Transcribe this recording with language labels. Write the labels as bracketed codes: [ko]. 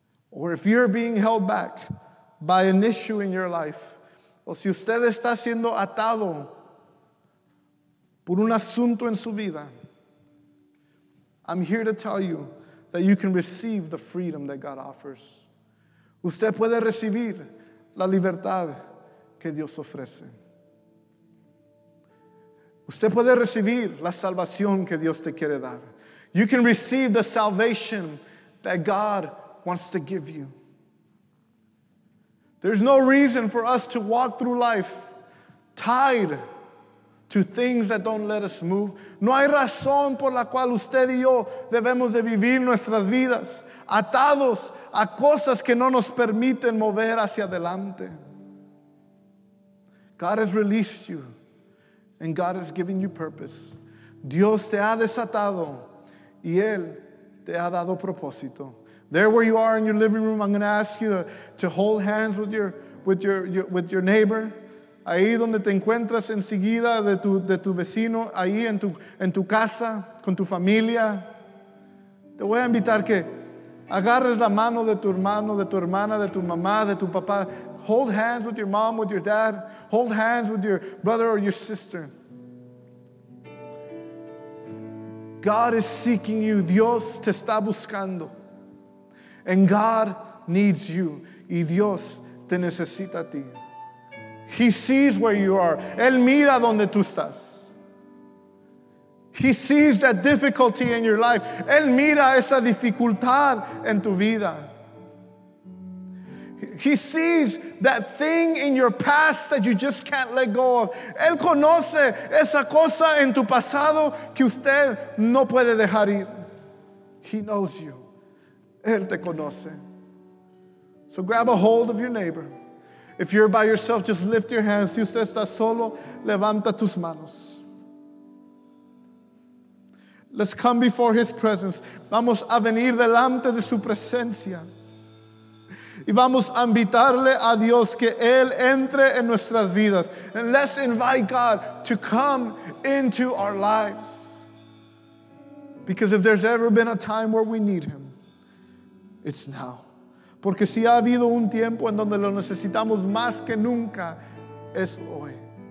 [en] Or if you're being held back by an issue in your life, [es] o si usted está siendo atado por un asunto en su vida, [en] I'm here to tell you that you can receive the freedom that God offers. [es] Usted puede recibir la libertad que Dios ofrece. Usted puede recibir la salvación que Dios te quiere dar. [en] You can receive the salvation that God wants to give you. There's no reason for us to walk through life tied to things that don't let us move. [es] No hay razón por la cual usted y yo debemos de vivir nuestras vidas atados a cosas que no nos permiten mover hacia adelante. [en] God has released you and God has given you purpose. [es] Dios te ha desatado y Él te ha dado propósito. [en] There where you are in your living room, I'm going to ask you to hold hands with your neighbor. [es] Ahí donde te encuentras enseguida de tu vecino, ahí en tu casa, con tu familia. Te voy a invitar que agarres la mano de tu hermano, de tu hermana, de tu mamá, de tu papá. [en] Hold hands with your mom, with your dad. Hold hands with your brother or your sister. God is seeking you. [es] Dios te está buscando. [en] And God needs you. [es] Y Dios te necesita a ti. [en] He sees where you are. [es] Él mira donde tú estás. [en] He sees that difficulty in your life. [es] Él mira esa dificultad en tu vida. [en] He sees that thing in your past that you just can't let go of. [es] Él conoce esa cosa en tu pasado que usted no puede dejar ir. [en] He knows you. [es] Él te conoce. [en] So grab a hold of your neighbor. If you're by yourself, just lift your hands. [es] Si usted está solo, levanta tus manos. [en] Let's come before His presence. [es] Vamos a venir delante de su presencia. Y vamos a invitarle a Dios que Él entre en nuestras vidas. [en] And let's invite God to come into our lives. Because if there's ever been a time where we need Him, it's now. [es] Porque si ha habido un tiempo en donde lo necesitamos más que nunca, es hoy.